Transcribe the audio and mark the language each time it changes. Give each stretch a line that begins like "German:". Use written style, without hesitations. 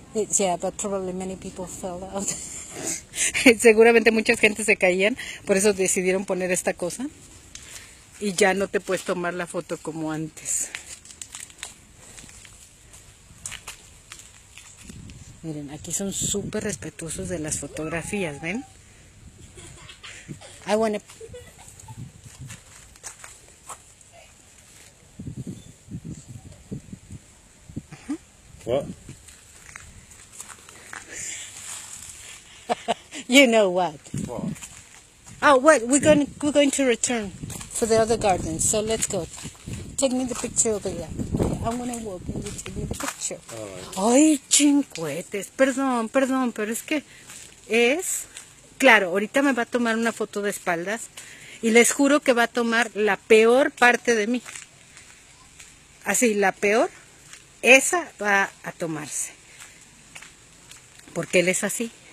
English: It's, yeah, but probably many people fell out.
Spanish: Seguramente muchas gente se caían, por eso decidieron poner esta cosa. Y ya no te puedes tomar la foto como antes. Miren, aquí son súper respetuosos de las fotografías, ¿ven?
English: I wanna... What? You know what? What? Oh, what? We're going to return for the other garden. So let's go. Take me the picture over there. I'm gonna walk and you take me the picture.
Spanish: Ay, chincuetes. Perdón, pero es que es... Claro, ahorita me va a tomar una foto de espaldas y les juro que va a tomar la peor parte de mí. Así, la peor, esa va a tomarse. Porque él es así.